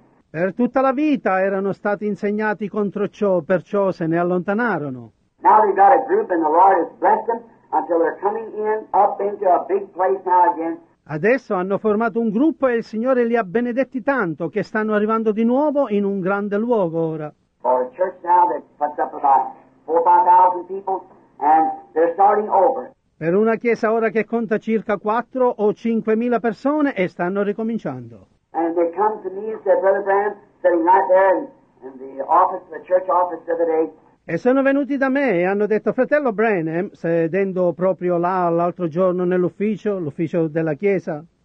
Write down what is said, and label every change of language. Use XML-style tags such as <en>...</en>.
<it>Per tutta la vita erano stati insegnati contro ciò, perciò se ne allontanarono.</it> <en>Now we've got a group and the Lord has blessed them. Until they're coming in, up into a big place now again.</en> <it>Adesso hanno formato un gruppo e il Signore li ha benedetti tanto che stanno arrivando di nuovo in un grande luogo ora.</it> <en>For a church now that puts up about 4,000 people and they're starting over.</en> <it>Per una chiesa ora che conta circa 4 o 5,000 persone e stanno ricominciando.</it> <en>And they come to me and said, Brother Branham, sitting right there in the office, the church office the other day.</en> <it>E sono venuti da me e hanno detto, fratello Branham, sedendo proprio là l'altro giorno nell'ufficio, l'ufficio della chiesa.</it>